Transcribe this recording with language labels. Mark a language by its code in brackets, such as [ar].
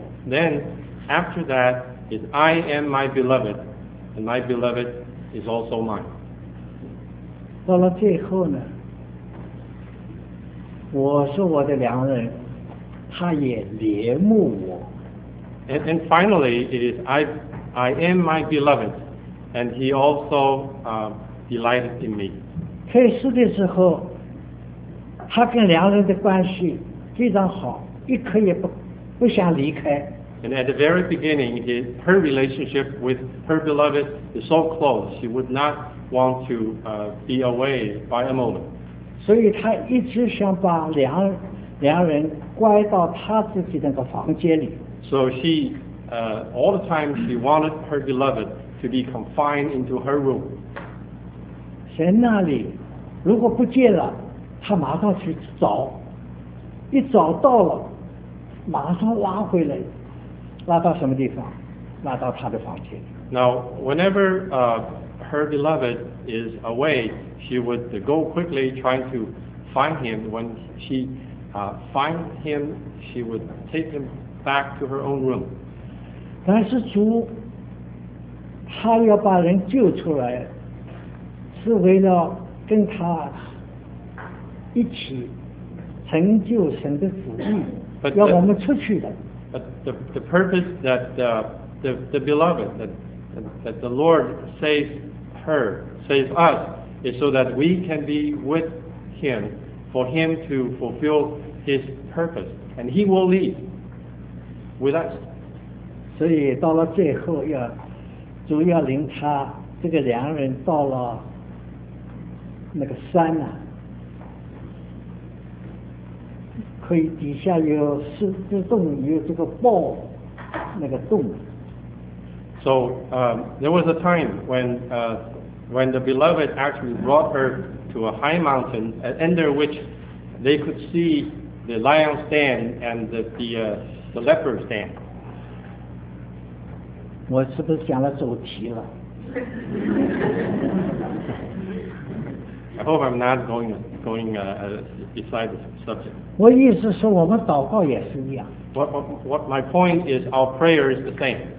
[en] Then, after that, is I am my beloved and my beloved is also mine. [zh] 到了最后呢，我是我的良人。他也怜慕我。 [en] And finally, it is I am my beloved, and he also delighted in me. [zh] 开始的时候，他跟良人的关系非常好，一刻也不想离开。 [en] And at the very beginning, her relationship with her beloved is so close, she would not want to be away by a moment. [zh] 所以他一直想把良人乖到他自己那个房间里。 [en] So she, all the time she wanted her beloved to be confined into her room. [zh] 在那里，如果不见了，他马上去找，一找到了，马上拉回来，拉到什么地方？拉到他的房间。 [en] Now, whenever her beloved is away, she would go quickly trying to find him when she. Find him, she would take him back to her own room. [zh] 但是主，他要把人救出来，是为了跟他一起成就神的旨意，要我们出去的。 [en] But the purpose that the beloved that the Lord saves us is so that we can be with him for him to fulfill. His purpose, and he will leave with us. [zh] 所以到了最后要主要领他这个良人到了那个山呐、啊，可以底下有狮子洞，有这个豹那个洞。 [en] So there was a time when the beloved actually brought her to a high mountain, under which they could see. The lion stand and the leopard stand. [zh] 我是不是讲了走题了？ [en] I hope I'm not going beside the subject. [zh] 我意思是我们祷告也是一样。 [en] What my point is, our prayer is the same.